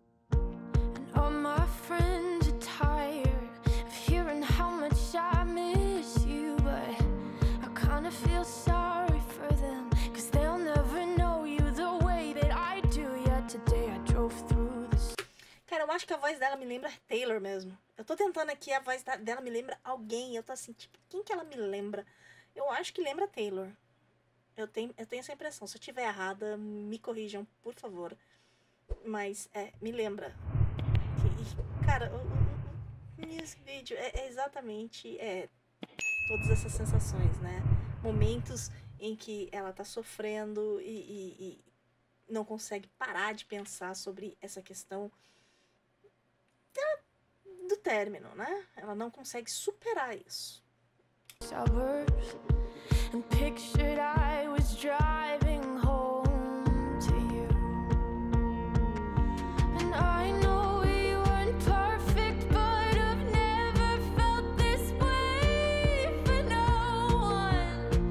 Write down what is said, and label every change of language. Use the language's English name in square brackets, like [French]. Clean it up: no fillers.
[English] And all my friends are tired of hearing how much I miss you. But I kind of feel sorry for them, cause they'll never know you the way that I do. Yet today I drove through the... [Portuguese] Cara, eu acho que a voz dela me lembra Taylor mesmo. Eu tô tentando aqui, a voz dela me lembra alguém. Eu tô assim, tipo, quem que ela me lembra? Eu acho que lembra Taylor. Eu tenho essa impressão. Se eu estiver errada, me corrijam, por favor. Mas, me lembra. Cara, esse vídeo é exatamente todas essas sensações, né? Momentos em que ela tá sofrendo e não consegue parar de pensar sobre essa questão do término, né? Ela não consegue superar isso. [English] And pictured I was driving home to you. And I know we weren't perfect, but I've never felt this way for no one.